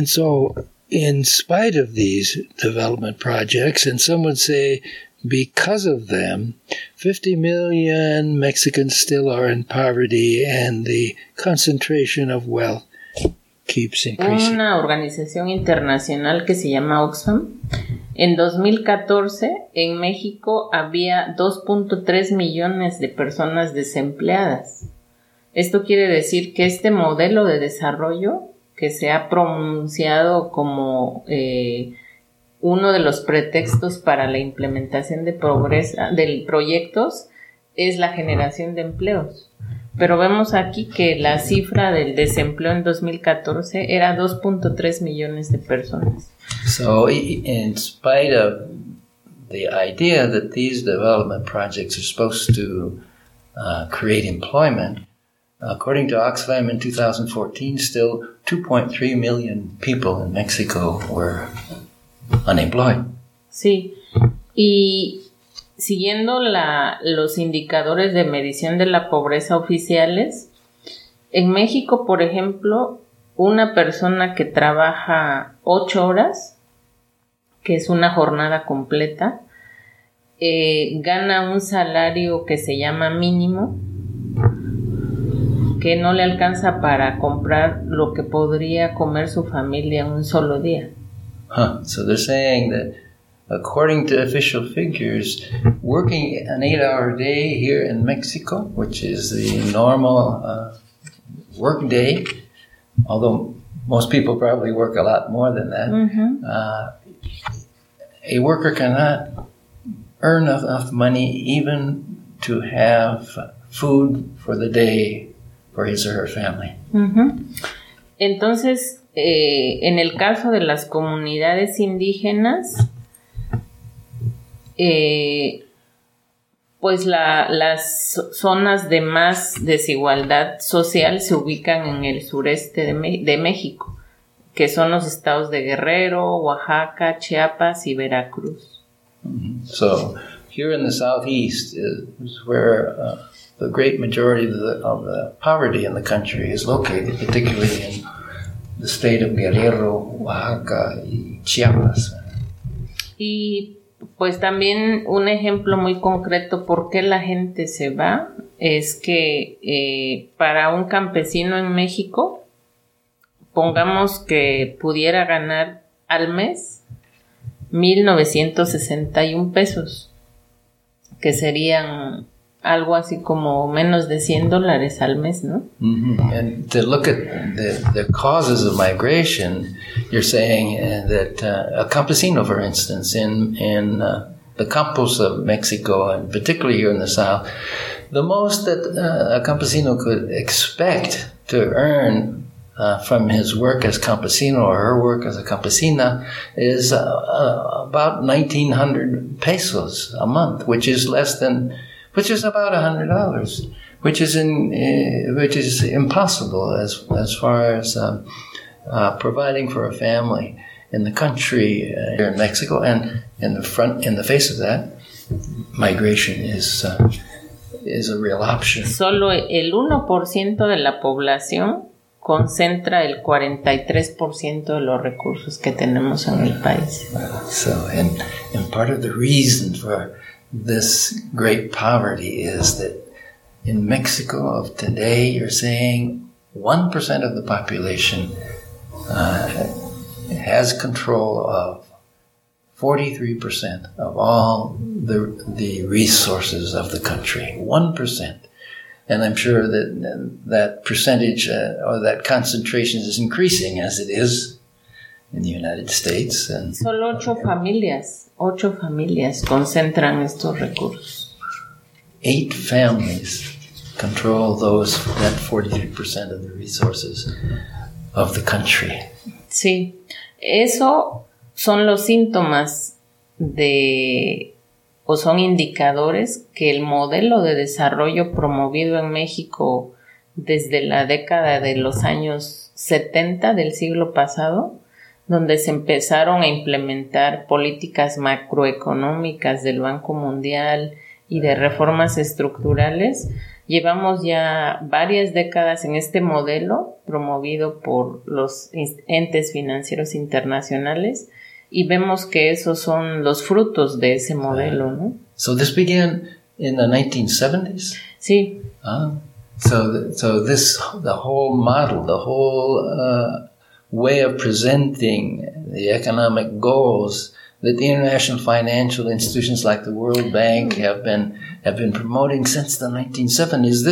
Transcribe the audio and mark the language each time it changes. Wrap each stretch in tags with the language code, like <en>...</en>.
<en>And so, in spite of these development projects, and some would say because of them, 50 million Mexicans still are in poverty and the concentration of wealth keeps increasing.</en> <es>Una organización internacional que se llama Oxfam, en 2014 en México había 2.3 millones de personas desempleadas. Esto quiere decir que este modelo de desarrollo que se ha pronunciado como uno de los pretextos para la implementación de progresa, de proyectos, es la generación de empleos. Pero vemos aquí que la cifra del desempleo en 2014 era 2.3 millones de personas.</es> <en>So, in spite of the idea that these development projects are supposed to create employment, according to Oxfam, in 2014, still 2.3 million people in Mexico were unemployed.</en> <es>Sí. Y siguiendo los indicadores de medición de la pobreza oficiales, en México, por ejemplo, una persona que trabaja 8 horas, que es una jornada completa, gana un salario que se llama mínimo, que no le alcanza para comprar lo que podría comer su familia en un solo día.</es> <en>So they're saying that According to official figures, working an eight-hour day here in Mexico, which is the normal work day, although most people probably work a lot more than that, a worker cannot earn enough money even to have food for the day for his or her family.</en> <es>Entonces, en el caso de las comunidades indígenas, pues las zonas de más desigualdad social se ubican en el sureste de México, que son los estados de Guerrero, Oaxaca, Chiapas y Veracruz.</es> <en>So, here in the southeast is where the great majority of the poverty in the country is located, particularly in the state of Guerrero, Oaxaca y Chiapas.</en> <es>Y pues también un ejemplo muy concreto por qué la gente se va es que para un campesino en México, pongamos que pudiera ganar al mes 1,961 pesos, que serían algo así como menos de $100 al mes, ¿no? Mm-hmm.</es> <en>And to look at the causes of migration, you're saying that a campesino, for instance, in the campos of Mexico, and particularly here in the south, the most that a campesino could expect to earn from his work as campesino or her work as a campesina is about 1,900 pesos a month, which is about $100, which is impossible as far as providing for a family in the country here in Mexico. And in the face of that, migration is a real option.</en> <es>Solo el 1% de la población concentra el 43% de los recursos que tenemos en el país.</es> <en>So, and part of the reason for this great poverty is that in Mexico of today, you're saying 1% of the population has control of 43% of all the resources of the country. 1%. And I'm sure that percentage or that concentration is increasing as it is in the United States. And</en> <es>solo ocho familias concentran estos recursos.</es> <en>8 families control that 43% of the resources of the country.</en> <es>Sí, eso son los síntomas de o son indicadores que el modelo de desarrollo promovido en México desde la década de los años 70 del siglo pasado, donde se empezaron a implementar políticas macroeconómicas del Banco Mundial y de reformas estructurales. Llevamos ya varias décadas en este modelo promovido por los entes financieros internacionales y vemos que esos son los frutos de ese modelo, ¿no?</es> <en>So this began in the 1970s?</en> <es>Sí.</es> <en>So this, the whole model, the whole way of presenting the economic goals that the international financial institutions like the World Bank have been promoting since the 1970s.</en>